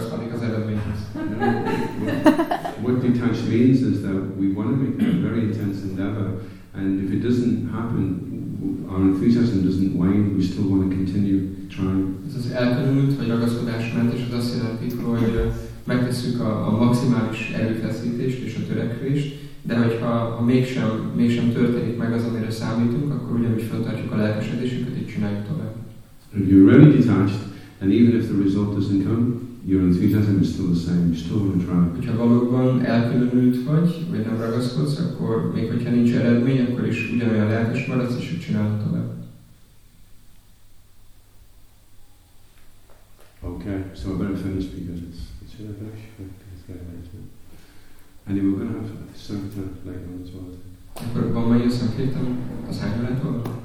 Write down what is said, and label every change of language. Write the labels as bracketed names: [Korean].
[English] What detached means is that we want to make a very intense endeavor, and if it doesn't happen, our enthusiasm doesn't wane, we still want to continue trying. [Hungarian] Ez az elkülönült, vagy ragaszkodásmentes, az azt jelenti, hogy megtesszük a maximális erőfeszítést és a törekvést, de hogyha mégsem történik meg az, amire számítunk, akkor ugyanúgy fenntartjuk a lelkesedésünket, így csináljuk tovább. [English] If you're really detached, and even if the result doesn't come, your enthusiasm is still the same, you still want to try. [Hungarian] Hogyha valóban elkülönült vagy, vagy nem ragaszkodsz, akkor még hogyha nincs eredmény, akkor is ugyanolyan lelkes maradsz, és úgy csinálod tovább. [English] Okay, so I better finish because it's in a rush, it's getting late, isn't it? Anyway, we're going to have a sankirtan later on as well, I think. [Hungarian] Akkor van majd a sankirtan, az hány órától?